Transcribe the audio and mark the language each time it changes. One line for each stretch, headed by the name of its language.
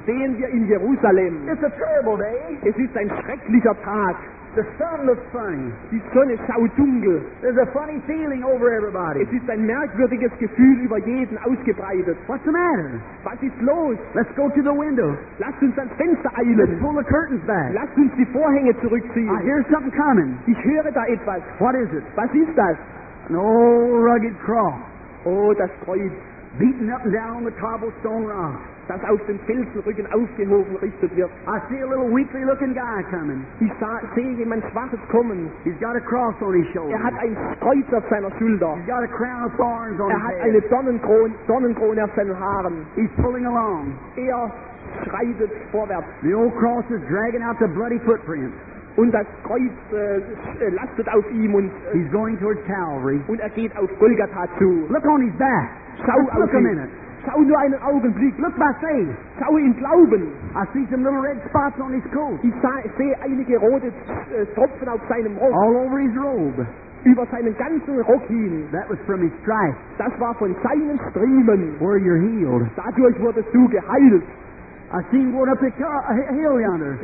German: Stehen wir in Jerusalem.
English: It's a terrible day.
German: Es ist ein schrecklicher Tag.
English: The sun looks funny.
German: Die Sonne schaut dunkel.
English: There's a funny feeling over everybody.
German: Es ist ein merkwürdiges Gefühl über jeden ausgebreitet.
English: What's the matter?
German: Was ist los?
English: Let's go to the window.
German: Lasst uns ans Fenster eilen.
English: Pull the curtains back.
German: Lasst uns die Vorhänge zurückziehen.
English: I hear something coming.
German: Ich höre da etwas.
English: What is it?
German: Was ist das?
English: An old rugged cross.
German: Oh, das Kreuz.
English: Beaten up and down the cobblestone rock.
German: Das aus dem Felsenrücken aufgehoben richtet wird.
English: I see a little weakly looking guy coming.
German: Ich sehe jemand Schwaches kommen.
English: He's got a cross on his shoulder.
German: Hat ein Kreuz auf seiner Schulter.
English: He's got a crown of thorns on his head.
German: Hat eine Dornenkrone auf seinen Haaren.
English: He's pulling along.
German: Schreitet vorwärts.
English: The old cross is dragging out the bloody footprints.
German: Und das Kreuz lastet auf ihm und
English: he's going towards Calvary.
German: Und geht auf Golgatha zu.
English: Look on his back.
German: Schau
English: Let's look
German: ihn.
English: A minute.
German: Schau nur einen Augenblick.
English: Look by faith.
German: Schau im Glauben.
English: I see some little red spots on his coat.
German: Ich sehe einige rote Tropfen auf seinem Rock.
English: All over his robe.
German: Über seinen ganzen Rock hin.
English: That was from his stripes.
German: Das war von seinen Striemen.
English: Where you're healed.
German: Dadurch wurdest du geheilt.
English: I see him going up the hill yonder.